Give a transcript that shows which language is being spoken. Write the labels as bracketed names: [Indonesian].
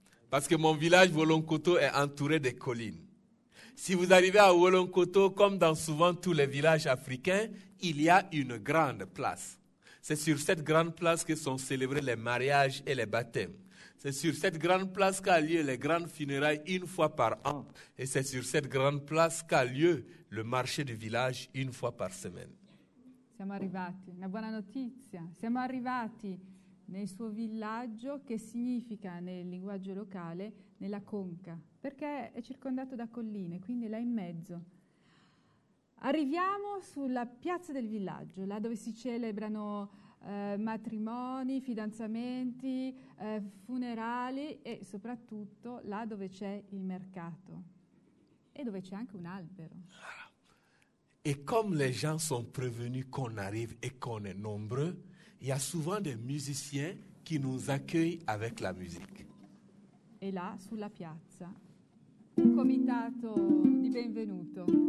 [French] Parce que mon village, Wolonkoto, est entouré de collines. Si vous arrivez à Wolonkoto, comme dans souvent tous les villages africains, il y a une grande place. C'est sur cette grande place que sont célébrés les mariages et les baptêmes. C'est sur cette grande place qu'a lieu les grandes funérailles une fois par an. Et c'est sur cette grande place qu'a lieu le marché du village une fois par semaine. [Italian] Siamo arrivati. Una buona notizia. Siamo arrivati nel suo villaggio, che significa nel linguaggio locale, nella conca. Perché è circondato da colline, quindi là in mezzo. Arriviamo sulla piazza del villaggio, là dove si celebrano matrimoni, fidanzamenti, funerali e soprattutto là dove c'è il mercato e dove c'è anche un albero. E come [French] les gens sont prévenus qu'on arrive et qu'on est nombreux, il y a souvent des musiciens qui nous accueillent avec la musique. [Italian] E là sulla piazza un comitato di benvenuto.